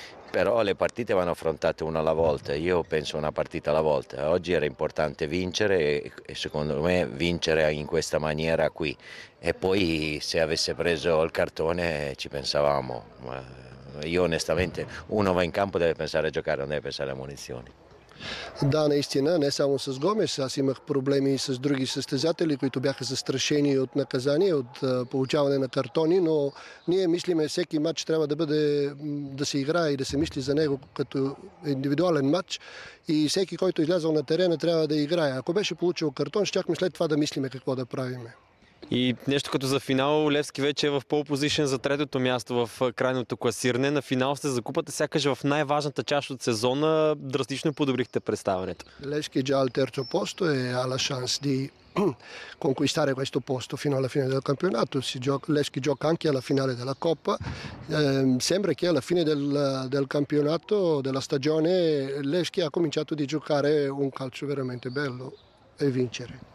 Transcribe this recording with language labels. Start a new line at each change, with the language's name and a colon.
Italian: Però le partite vanno affrontate una alla volta, io penso una partita alla volta. Oggi era importante vincere e secondo me vincere in questa maniera qui. E poi se avesse preso il cartone ci pensavamo. Ma io onestamente, uno va in campo deve pensare a giocare, non deve pensare a munizioni.
Bulgarian: Да, наистина, не само с Гомес, аз имах проблеми и с други състезатели, които бяха застрашени от наказание, от получаване на картони, но ние мислиме всеки матч трябва да бъде, да се играе и да се мисли за него като индивидуален матч и всеки, който излязъл на терена, трябва да играе. Ако беше получил картон, щяхме след това да мислиме какво да правиме. И нещо като за финал, Левски вече е в pole position за третото място в крайното класиране. На финал сте за купата, сякаш в най-важната част от сезона драстично подобрихте представането. Левски е
Italian: già al terzo posto e ha la chance di conquistare questo posto fino alla fine del campionato. Levski gioca anche alla finale della Coppa. Sembra che alla fine del campionato, della stagione, Levski ha cominciato di giocare un calcio veramente bello e vincere.